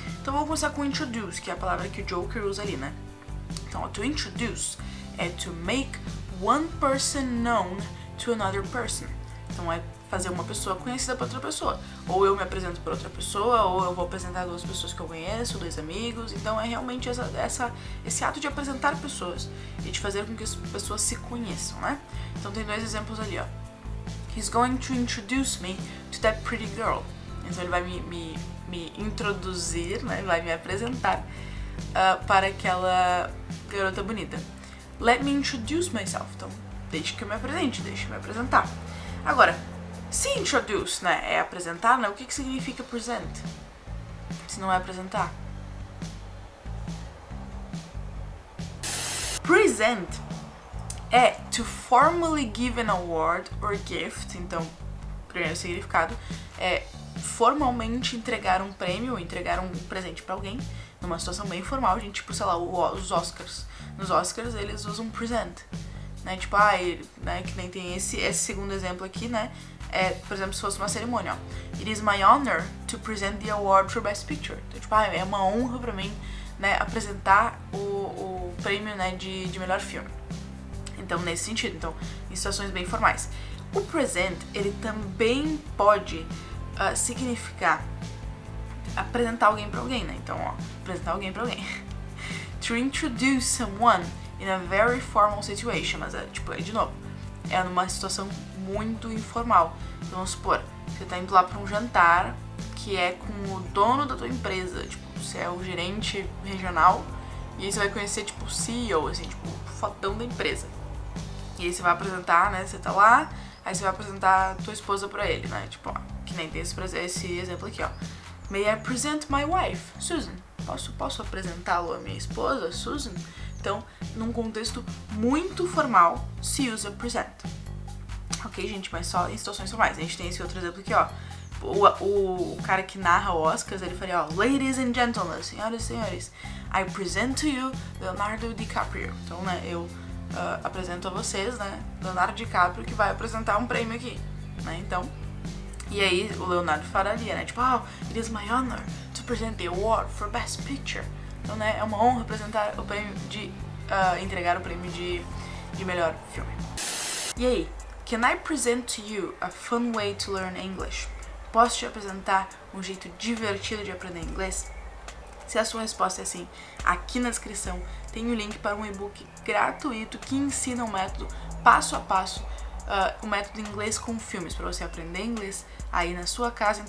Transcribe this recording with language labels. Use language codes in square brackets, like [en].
[pt] Então, vamos começar com introduce, que é a palavra que o Joker usa ali, né? Então, to introduce é [en] to make one person known to another person. [pt] Então é fazer uma pessoa conhecida para outra pessoa. Ou eu me apresento para outra pessoa, ou eu vou apresentar duas pessoas que eu conheço, dois amigos. Então é realmente esse ato de apresentar pessoas e de fazer com que as pessoas se conheçam, né? Então tem dois exemplos ali, ó. [en] He's going to introduce me to that pretty girl. [pt] Então ele vai me introduzir, né? Vai me apresentar para aquela garota bonita. [en] Let me introduce myself. [pt] Então, deixe que eu me apresente, deixe eu me apresentar. Agora, se introduce, né, é apresentar, né, o que que significa present? Se não é apresentar. [en] Present é to formally give an award or gift. [pt] Então, primeiro significado é formalmente entregar um prêmio, entregar um presente pra alguém. Numa situação bem formal, gente, tipo, sei lá, os Oscars. Nos Oscars eles usam present, né? Tipo, que nem tem esse segundo exemplo aqui, né? É, por exemplo, se fosse uma cerimônia, ó. [en] It is my honor to present the award for best picture. [pt] Então, tipo, é uma honra pra mim, né, apresentar o prêmio, né, de melhor filme. Então, nesse sentido, então, em situações bem formais. O present, ele também pode significar apresentar alguém pra alguém, né? Então, ó, apresentar alguém pra alguém. [en] To introduce someone in a very formal situation. [pt] Mas, tipo, de novo, é numa situação muito informal. Então, vamos supor, você tá indo lá pra um jantar que é com o dono da tua empresa. Tipo, você é o gerente regional. E aí você vai conhecer, tipo, o CEO, assim, tipo, o fodão da empresa. E aí você vai apresentar, né? Você tá lá, aí você vai apresentar a tua esposa pra ele, né? Tipo, ó, que nem tem esse exemplo aqui, ó. [en] May I present my wife, Susan? [pt] Posso apresentá-lo à minha esposa, Susan? Então, num contexto muito formal, se usa present. Ok, gente? Mas só em situações formais. A gente tem esse outro exemplo aqui, ó. O cara que narra o Oscars, ele faria, ó. [en] Ladies and gentlemen, [pt] senhoras e senhores, [en] I present to you Leonardo DiCaprio. [pt] Então, né, eu apresento a vocês, né, Leonardo DiCaprio, que vai apresentar um prêmio aqui, né? Então, E aí o Leonardo falaria, né? Tipo, [en] oh, it is my honor to present the award for best picture. [pt] Então, né, é uma honra apresentar o prêmio de... entregar o prêmio de melhor filme. E aí? [en] Can I present to you a fun way to learn English? [pt] Posso te apresentar um jeito divertido de aprender inglês? Se a sua resposta é sim, aqui na descrição tem um link para um e-book gratuito que ensina um método passo a passo, um método em inglês com filmes para você aprender inglês aí na sua casa.